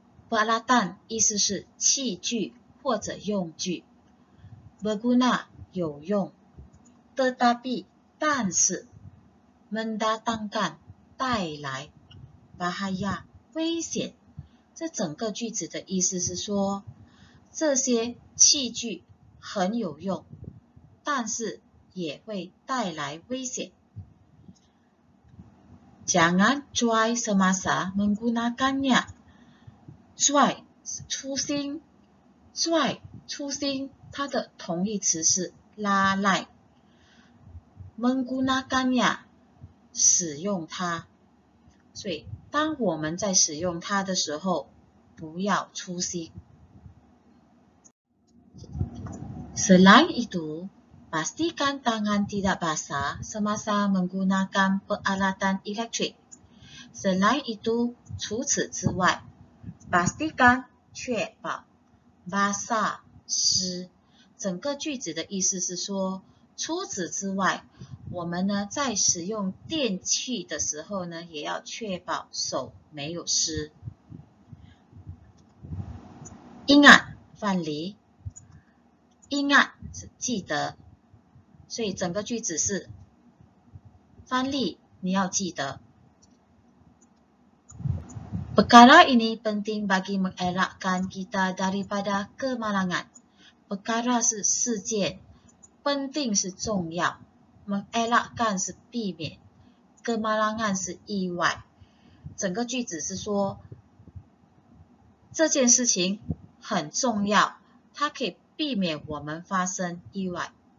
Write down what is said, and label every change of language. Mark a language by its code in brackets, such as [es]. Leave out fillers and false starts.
[zh] Peralatan 意思是器具或者用具 berguna 有用 tetapi 但是mendatangkan 带来 bahaya 危险。这整个句子的意思是说，这些器具很有用，但是也会带来危险。 [ms] Jangan cuai semasa menggunakannya. [zh] Cuai 粗心，cuai 粗心，它的同义词是拉赖。 [ms] menggunakan ya， 使用它。 [zh] 所以当我们在使用它的时候，不要粗心。 [ms] Selain itu, pastikan tangan tidak basah semasa menggunakan peralatan elektrik. Selain itu, [zh] 除此之外， [ms] pastikan [zh] 确保 basah 湿。整个句子的意思是说，除此之外，我们呢在使用电器的时候呢，也要确保手没有湿。 [ms] ingat, [zh] 范蠡。 [ms] ingat [zh] 是记得，所以整个句子是范蠡，你要记得。 [ms] perkara ini penting bagi mengelakkan kita daripada kemalangan. [zh] perkara 是事件，penting 是重要。 mengelakkan 是避免， kemalangan 是意外。整个句子是说这件事情很重要，它可以避免我们发生意外。